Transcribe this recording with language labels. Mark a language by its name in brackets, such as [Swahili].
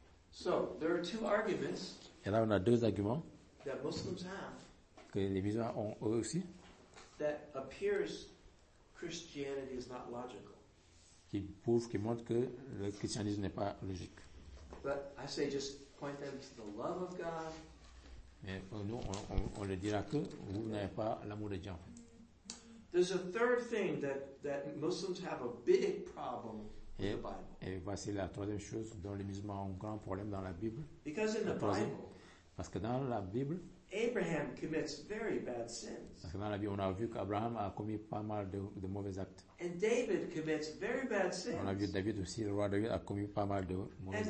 [English] So, there are two arguments. [French] Et là, on a deux arguments [English] that Muslims have, [French] que les musulmans ont eux aussi, [English] that appears Christianity is not logical. [French] Qui prouvent, qui montrent que le christianisme n'est pas logique. [English] But I say just point them to the love of God. [French] Mais pour nous, on le dira que vous n'avez pas l'amour de Dieu. [English] There's a third thing that Muslims have a big problem with the Bible. [French] Et voici la troisième chose dont les musulmans ont un grand problème dans la Bible. [English] Because in the Bible, [French] parce que dans la Bible, [English] Abraham commits very bad sins. [French] Parce que dans la Bible, on a vu qu'Abraham a commis pas mal de mauvais actes. [English] And David commits very bad sins. [French] On a vu David aussi, le roi David a commis pas mal de mauvais actes.